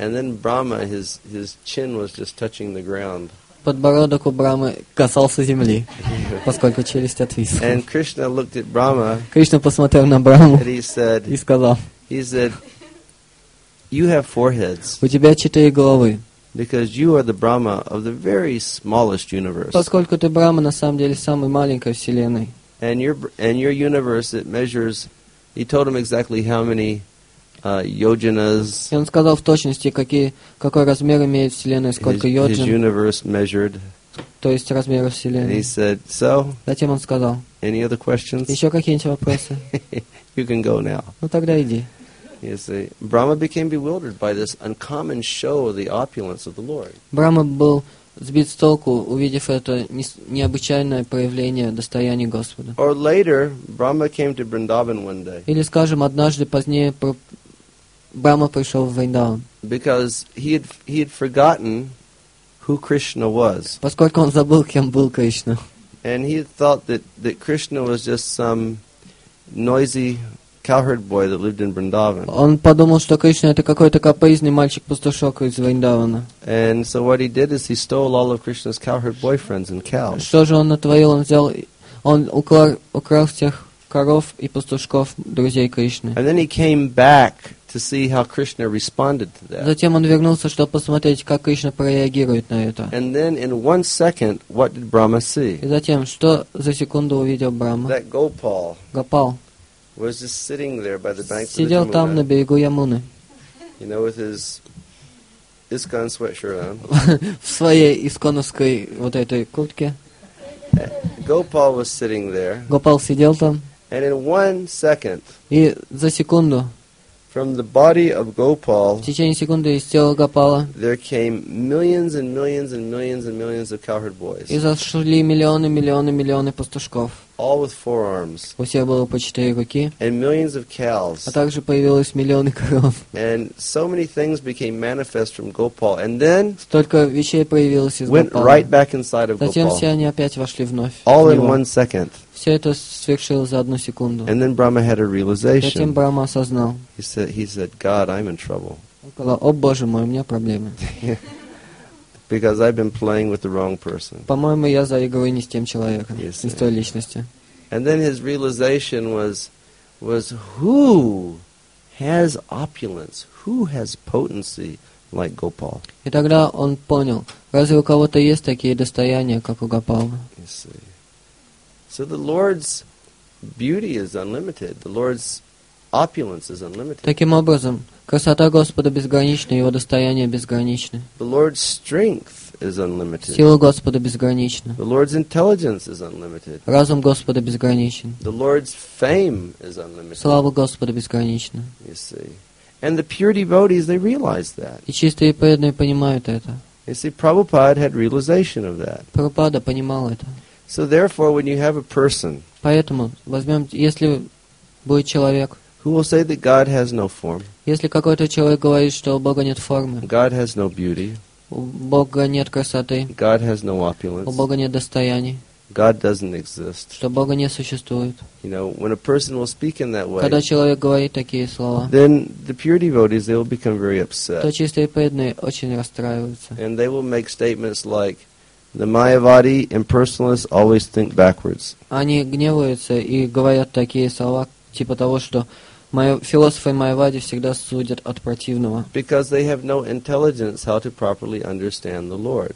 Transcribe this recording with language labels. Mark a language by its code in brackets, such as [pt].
[en] And then Brahma, his chin was just touching the ground. [ru] Подбородок у Брахмы касался земли, поскольку челюсть отвисла. [en] And Krishna looked at Brahma. [ru] Кришна посмотрел на Брахму. [en] And he said, [ru] и сказал, [en] he said, you have four heads. [ru] У тебя четыре головы. [en] Because you are the Brahma of the very smallest universe. [ru] Поскольку ты Брахма на самом деле самой маленькой вселенной. [en] And your universe it measures. He told him exactly how many yojanas. [ru] И он сказал в точности, какой размер имеет вселенная, сколько йоджан. [en] His universe measured. [ru] То есть размер вселенной. [en] And he said so. [ru] Затем он сказал. [en] Any other questions? [ru] Еще какие-нибудь вопросы? [en] You can go now. [ru] Ну тогда иди. [en] You see, Brahma became bewildered by this uncommon show of the opulence of the Lord. [ru] Брахма был сбит с толку, увидев это необычайное проявление достояния Господа. [en] Or later, Brahma came to Vrindavan one day. [ru] Или, скажем, однажды позднее Брахма пришел в Вриндаван. [en] Because he had forgotten who Krishna was. [ru] Поскольку он забыл, кем был Кришна. [en] And he thought that Krishna was just some noisy cowherd boy that lived in Vrindavan. [ru] Он подумал, что Кришна это какой-то капризный мальчик-пастушок из Вриндавана. [en] And so what he did is he stole all of Krishna's cowherd boyfriends and cows. [ru] Что же он натворил? Он взял, он украл всех коров и пастушков друзей Кришны. [en] And then he came back to see how Krishna responded to that. [ru] Затем он вернулся, чтобы посмотреть, как Кришна прореагирует на это. [en] And then in one second, what did Brahma see? [ru] И затем что за секунду увидел Брахма? [en] That Gopal. [ru] Гопал. [en] Was just sitting there by the banks of the Yamuna. [ru] Сидел там на берегу Ямуны. [en] You know, with his ISKCON sweatshirt on. [ru] В своей исконовской вот этой куртке. [en] Gopal was sitting there. [ru] Гопал сидел там. [en] And in one second. [ru] И за секунду. [en] From the body of Gopal. [ru] В течение секунды из тела Гопала. [en] There came millions and millions and millions and millions of cowherd boys. [ru] И зашли миллионы, миллионы, миллионы пастушков. [en] All with four arms. [ru] У всех было по четыре руки. [en] And millions of cows. [ru] А также появилось миллионы коров. [en] And so many things became manifest from Gopal. And then. [ru] Столько вещей появилось из Гопала. [en] Went right back inside of Gopal. [ru] Затем все они опять вошли вновь. [en] All in one second. [ru] Все это свершилось за одну секунду. [en] And then Brahma had a realization. [ru] Затем Брахма осознал. [en] He said, God, I'm in trouble. [ru] Он сказал, о боже мой, у меня проблемы. [en] Because I've been playing with the wrong person. [ru] По-моему, я заигрываю не с тем человеком, не с той личностью. [en] And then his realization was who has opulence, who has potency like Gopal? [ru] И тогда он понял, разве у кого-то есть такие достояния, как у Гопала? [en] You see. So the Lord's beauty is unlimited. The Lord's opulence is unlimited. [ru] Таким образом, красота Господа безгранична, Его достояние безгранично. [en] The Lord's strength is unlimited. [ru] Сила Господа безгранична. [en] The Lord's intelligence is unlimited. [ru] Разум Господа безграничен. [en] The Lord's fame is unlimited. [ru] Слава Господа безгранична. [en] You see. And the pure devotees, they realize that. [ru] И чистые преданные понимают это. [en] You see, Prabhupada had realization of that. [ru] Прабхупада понимал это. [en] So therefore, when you have a person, [ru] поэтому, возьмем, если будет человек, [en] who will say that God has no form? [ru] Если какой-то человек говорит, что у Бога нет формы. [en] God has no beauty. [ru] У Бога нет красоты. [en] God has no opulence. [ru] У Бога нет достояний. [en] God doesn't exist. [ru] Что Бога не существует. [en] You know, when a person will speak in that way. [ru] Когда человек говорит такие слова. [en] Then the pure devotees they will become very upset. [ru] То чистые преданные очень расстраиваются. [en] And they will make statements like, the Mayavadi impersonalists always think backwards. [ru] Они гневаются и говорят такие слова. Типа того, что философы Майявади всегда судят от противного. [en] Because they have no intelligence how to properly understand the Lord.